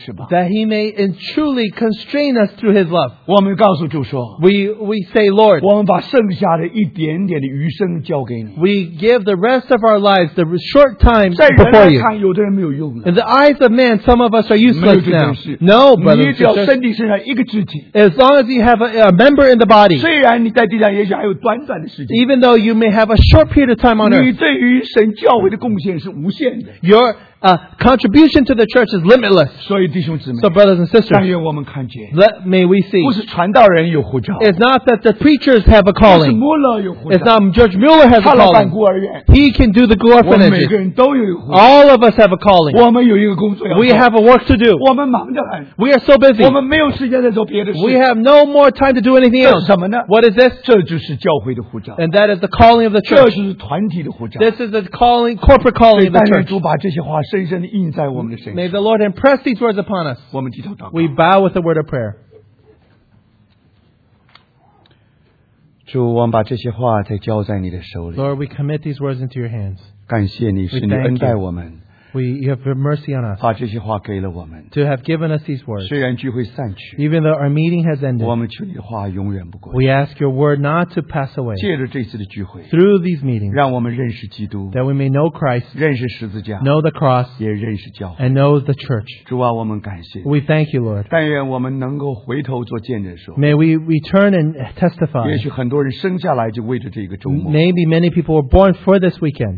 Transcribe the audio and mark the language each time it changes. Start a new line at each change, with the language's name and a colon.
English: That he may and truly constrain us through his love.
Chinese: 我们告诉主说,
English: we say, Lord,
Chinese: 我们把剩下的一点点的余生交给你。
English: We give the rest of our lives, the short time before you.
Chinese: 在人来看, 有的人没有用的。
English: In the eyes of man, some of us are useless now.
Chinese: 没有这件事。
English: No, brother.
Chinese: 你只要身体身上一个肢体。
English: As long as you have a member in the body.
Chinese: 虽然你在地上也许还有短短的时间。
English: Even though you may have a short period of time on earth.
Chinese: 你对于神教会的贡献是无限的。
English: Your contribution to the church is limitless.
Chinese: 所以弟兄姊妹,
English: so brothers and sisters,
Chinese: 但愿我们看见,
English: may we see.
Chinese: 不是传道人有呼召,
English: it's not that the preachers have a calling.
Chinese: 不是穆勒有呼召,
English: it's not George Mueller has a calling.
Chinese: 他老办孤儿院,
English: he can do the good orphanages.
Chinese: 我们每个人都有呼召,
English: all of us have a calling.
Chinese: 我们有一个工作要做,
English: we have a work to do.
Chinese: 我们忙得很,
English: we are so busy.
Chinese: 我们没有时间再做别的事,
English: we have no more time to do anything else.
Chinese: 这是什么呢?
English: What is this?
Chinese: 这就是教会的呼召,
English: and that is the calling of the church.
Chinese: 这就是团体的呼召,
English: this is the calling, corporate calling of the church.
Chinese: 但愿主把这些话深深地印在我们的身上。
English: May the Lord impress these words upon us.
Chinese: 我们低头祷告。
English: We bow with a word of prayer.
Chinese: 主，我们把这些话再交在你的手里。
English: Lord, we commit these words into your hands.
Chinese: 感谢你，是你恩待我们。
English: You have mercy on us.
Chinese: 把这些话给了我们,
English: to have given us these words.
Chinese: 虽然聚会散去,
English: even though our meeting has ended,
Chinese: 我们求你的话永远不过,
English: we ask your word not to pass away.
Chinese: 借着这次的聚会,
English: through these meetings,
Chinese: 让我们认识基督,
English: that we may know Christ,
Chinese: 认识十字架,
English: know the cross,
Chinese: 也认识教会,
English: and know the church.
Chinese: 主啊, 我们感谢,
English: we thank you, Lord.
Chinese: 但愿我们能够回头做见证说,
English: may we return and testify.
Chinese: 也许很多人生下来就为着这个周末,
English: maybe many people were born for this weekend.